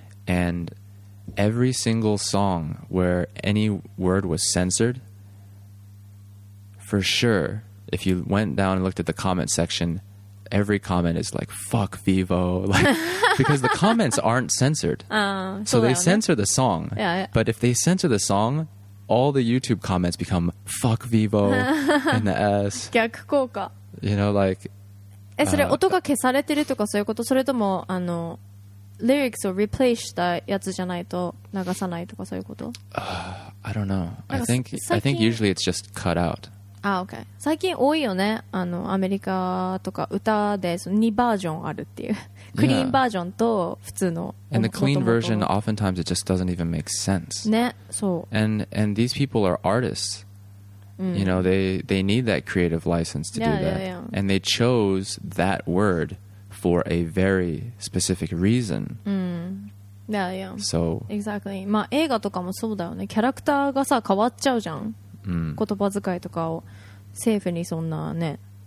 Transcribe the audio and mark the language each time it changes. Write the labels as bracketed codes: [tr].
[en] And every single song where any word was censored, for sure, if you went down and looked at the comment section, every comment is like, fuck Vivo. Like, because the comments aren't censored. So they censor the song. Yeah, yeah. But if they censor the song, all the YouTube comments become, fuck Vivo, and the S. [ja] 逆効果。 [en] You know, like... [ja] え、それ音が消されてるとかそういうこと？それとも、あの、lyrics を replace したやつじゃないと流さないとかそういうこと？ [en] I don't know. I think usually it's just cut out. [ja] あ、OK。最近多いよね。あの、アメリカとか歌でその2バージョンあるっていう。クリーンバージョンと普通の。 [en] And the clean version, oftentimes it just doesn't even make sense. [ja] ね、そう。 [en] And these people are artists.、うん、you know, they need that creative license to do that. Yeah. And they chose that word for a very specific reason. Yeah, yeah. So. Exactly. [ja] まあ映画とかもそうだよね。キャラクターがさ、変わっちゃうじゃん。 Mm. 言葉遣いとかを政府にそんなね、